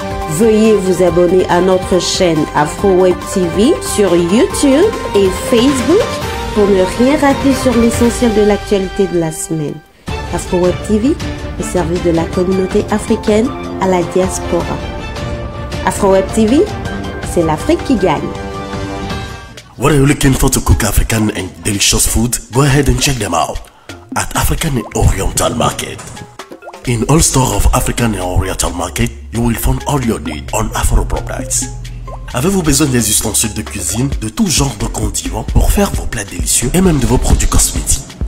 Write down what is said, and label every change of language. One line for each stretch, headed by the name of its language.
French: Veuillez vous abonner à notre chaîne AfroWeb TV sur YouTube et Facebook pour ne rien rater sur l'essentiel de l'actualité de la semaine. AfroWeb TV, au service de la communauté africaine à la diaspora. AfroWeb TV, c'est l'Afrique qui gagne.
English: What are you looking for to cook African and delicious food? Go ahead and check them out at African and Oriental Market. In all stores of African and Oriental Market, you will find all your needs on Afro products.
French: Avez-vous besoin des ustensiles de cuisine, de tout genre de condiments pour faire vos plats délicieux et même de vos produits cosmétiques?